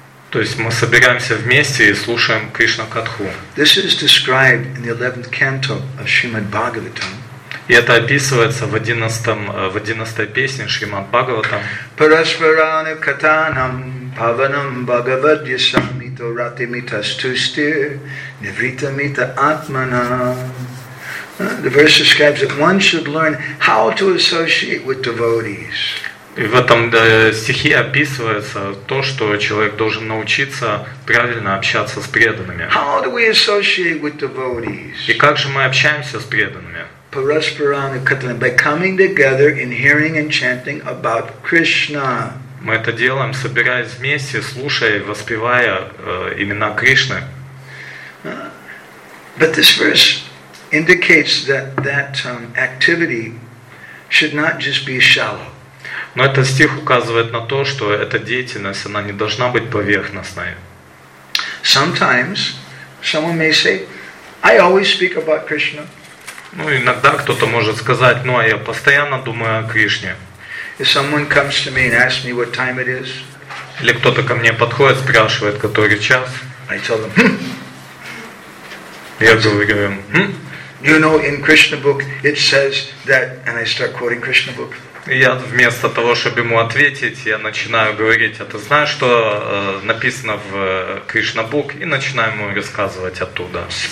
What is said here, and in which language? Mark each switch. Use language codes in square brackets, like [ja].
[ru] То есть мы собираемся вместе и слушаем Кришна-катху. [en] This is described in the 11th canto of Shrimad Bhagavatam. [ru] И это описывается в 11-й песне Шримад Бхагаватам. [sa] Parasparana katanam pavanam bhagavadyasamito ratimitastustir nivritamita atmana. [en] The verse describes that one should learn how to associate with devotees. [ru] И в этом стихе описывается то, что человек должен научиться правильно общаться с преданными. [en] How do we associate with devotees? [ru] И как же мы общаемся с преданными? [en] Paraspurana katana, by coming together in hearing and chanting about Krishna. [ru] Мы это делаем, собираясь вместе, слушая и воспевая имена Кришны. [en] But this verse indicates that activity should not just be shallow. [ru] Но этот стих указывает на то, что эта деятельность, она не должна быть поверхностной. [en] Sometimes someone may say, I always speak about Krishna. [ru] Ну, иногда кто-то может сказать, ну, а я постоянно думаю о Кришне. [en] If someone comes to me and asks me what time it is. [ru] Или кто-то ко мне подходит, спрашивает, который час. [en] I tell them. [ru] Я говорю им. [en] You know, in Krishna book it says that, and I start quoting Krishna book. [ru] Я вместо того, чтобы ему ответить, я начинаю говорить, а ты знаешь, что написано в Кришна Бук, и начинаю ему рассказывать оттуда.